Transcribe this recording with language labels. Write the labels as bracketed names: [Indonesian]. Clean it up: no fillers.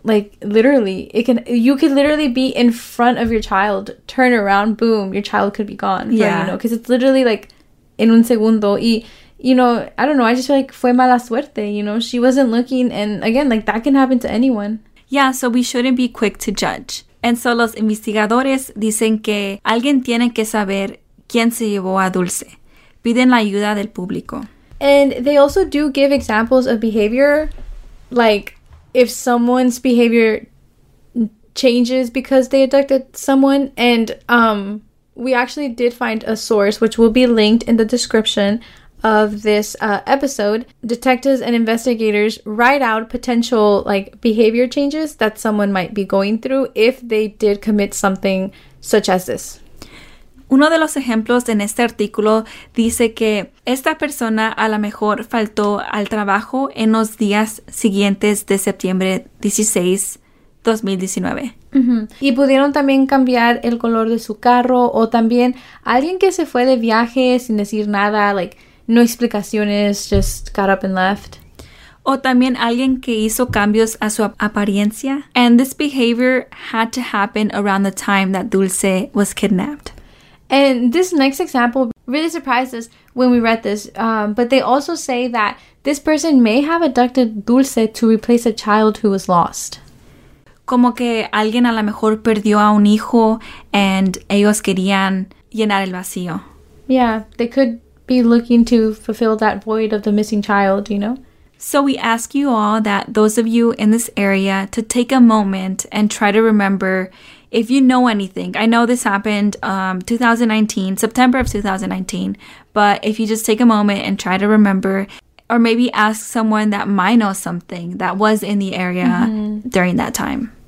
[English] Like, literally, you could literally be in front of your child, turn around, boom, your child could be gone. Yeah, you know, because it's literally like in [Spanish] un segundo. [English] Y you know, I don't know, I just feel like [Spanish] fue mala suerte, [English] you know, she wasn't looking. And again, like, that can happen to anyone. Yeah, so we shouldn't be quick to judge. And so [Spanish] los investigadores dicen que alguien tiene que saber quién se llevó a Dulce. Piden la ayuda del público. [English] And they also do give examples of behavior, like if someone's behavior changes because they abducted someone. And we actually did find a source, which will be linked in the description of this episode. Detectives and investigators write out potential like behavior changes that someone might be going through if they did commit something such as this. [Spanish] Uno de los ejemplos en este artículo dice que esta persona a lo mejor faltó al trabajo en los días siguientes de septiembre 16, 2019. Mm-hmm. Y pudieron también cambiar el color de su carro, o también alguien que se fue de viaje sin decir nada, like no explicaciones, [English] just got up and left. [Spanish] O también alguien que hizo cambios a su apariencia. [English] And this behavior had to happen around the time that Dulce was kidnapped. And this next example really surprised us when we read this, but they also say that this person may have abducted Dulce to replace a child who was lost. [Spanish] Como que alguien a lo mejor perdió a un hijo and ellos querían llenar el vacío. [English] Yeah, they could be looking to fulfill that void of the missing child, you know? So we ask you all, that those of you in this area, to take a moment and try to remember if you know anything. I know this happened 2019, September of 2019, but if you just take a moment and try to remember, or maybe ask someone that might know something that was in the area during that time.